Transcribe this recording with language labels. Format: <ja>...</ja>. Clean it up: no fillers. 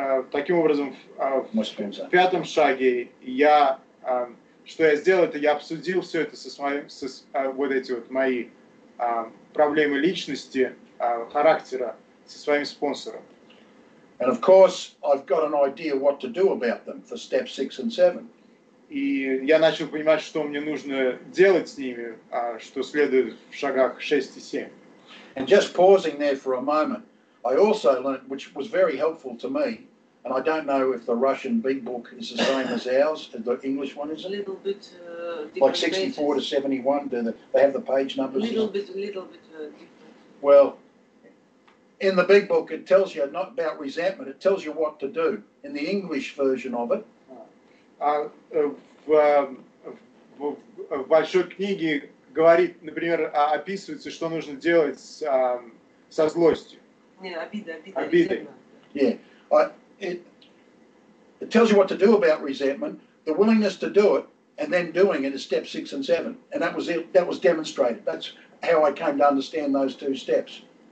<ru>Таким образом, в пятом шаге я сделал, это я обсудил все это со своими проблемы личности, характера, со своим спонсором.</ru> <en>And of course, I've got an idea what to do about them for step 6 and 7.</en> <ru>И я начал понимать, что мне нужно делать с ними, что следует в шагах 6 и 7.</ru> <en>And just pausing there for a moment, I also learned, which was very helpful to me, and I don't know if the Russian big book is the same as ours, the English one is a little bit like 64 pages. To 71, do they have the page numbers? A little bit different. Well, in the big book, it tells you not about resentment, it tells you what to do. In the English version of it.</en> <ru>В большой книге говорит, например, описывается, что нужно делать со злостью. Не, обида.</ru> <en>Yeah. It tells you what to do about resentment, the willingness to do it, and then doing it is step 6 and 7. And that was demonstrated. That's how I came to understand those two steps.</en>